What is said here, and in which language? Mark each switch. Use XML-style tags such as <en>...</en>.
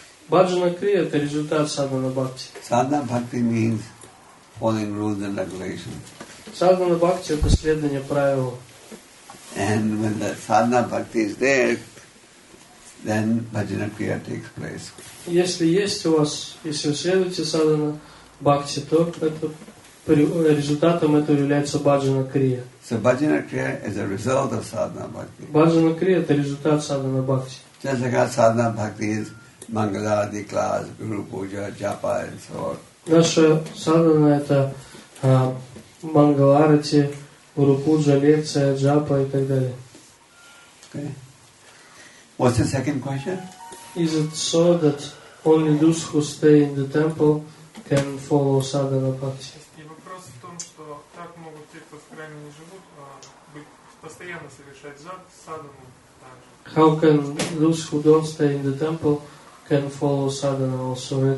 <ru>Bhajana Kriya — это результат Sadhana Bhakti.</ru> <en>Sadhana Bhakti means following rules and regulations.</en> <ru>Sadhana Bhakti — это следование правил.</ru> <en>And when the Sadhana Bhakti is there, then Bhajana Kriya takes place.</en> <ru>Если есть у вас, если вы следуете садхана бхакти, то это, результатом этого является Bhajana Kriya.</ru> <en>So Bhajana Kriya is a result of Sadhana Bhakti.</en> <ru>Bhajana Kriya — это результат садхана бхакти.</ru> <en>Just like Sadhana Bhakti is Mangaladi class, Guru Puja, Japa and so on.</en> <ru>Наша садхана — это Mangalarati, Guru Puja, лекция, Japa и так далее.</ru> <en>Okay. What's the second question? Is it so that only those who stay in the temple can follow Sadhana Bhakti?</en> <ru>И вопрос в том, что как могут те, кто в храме не живут, постоянно совершать садхану также?</ru> <en>How can those who don't stay in the temple can follow Sadhana also?</en>